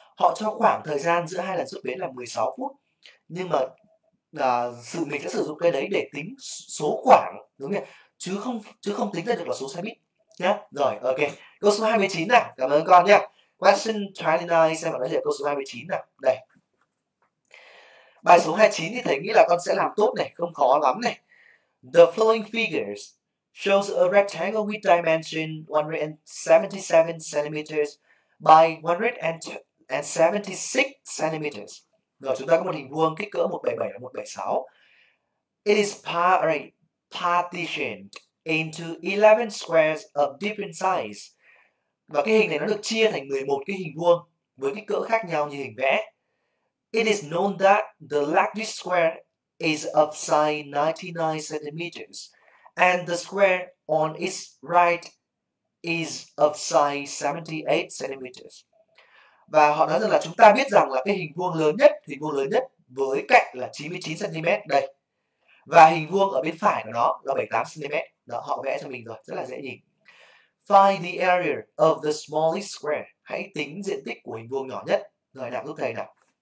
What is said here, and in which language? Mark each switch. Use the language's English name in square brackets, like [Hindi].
[Vietnamese] Họ cho khoảng thời gian giữa hai lần xuất bến là 16 phút. Nhưng mà mình sẽ sử dụng cái đấy để tính số khoảng, đúng không nhỉ? Chứ không tính ra được là số xe buýt nhá. Rồi, ok. Câu số 29 nào. Cảm ơn con nhá. Question 29, xem bạn nói gì câu số 29 nào. Đây. Bài số 29 thì thầy nghĩ là con sẽ làm tốt này, không khó lắm này. [English] The following figures shows a rectangle with dimension 177 cm by 176 cm. [Vietnamese] Rồi chúng ta có một hình vuông kích cỡ 177 176. [English] It is partitioned into 11 squares of different size. [Vietnamese] Và cái hình này nó được chia thành 11 cái hình vuông. với kích cỡ khác nhau như hình vẽ. [English] It is known that the largest square is of size 99 centimeters, and the square on its right is of size 78 centimeters. [Vietnamese] Và họ nói rằng là chúng ta biết rằng là cái hình vuông lớn nhất với cạnh là 99 cm đây. Và hình vuông ở bên phải của nó là 78 cm. Đó, họ vẽ cho mình rồi, rất là dễ nhìn. [English] Find the area of the smallest square. [Vietnamese] Hãy tính diện tích của hình vuông nhỏ nhất. Rồi nào, giúp thầy nào.